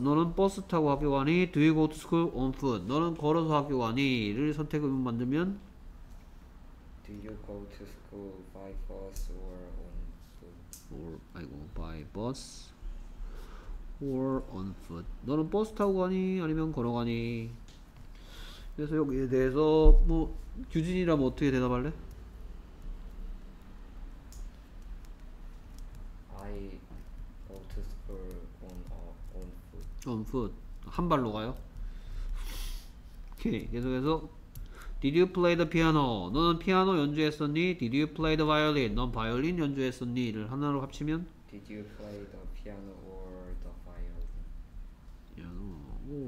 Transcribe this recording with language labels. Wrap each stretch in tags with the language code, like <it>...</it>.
<ko>너는 버스 타고 학교 가니?</ko> <en>Do you go to school on foot?</en> <ko>너는 걸어서 학교 가니?를 선택을 만들면,</ko> <en>Do you go to school by bus or on foot? by bus or on foot?</en> <ko>너는 버스 타고 가니? 아니면 걸어 가니? 그래서 여기에 대해서 뭐 규진이라면 어떻게 대답할래?</ko> <en>I go to school on foot. On foot,</en> <ko>한 발로 가요. 오케이. 계속해서</ko> <en>Did you play the piano?</en> <ko>너는 피아노 연주했었니?</ko> <en>Did you play the violin?</en> <ko>넌 바이올린 연주했었니?를 하나로 합치면</ko> <en>Did you play the piano or the violin?</en>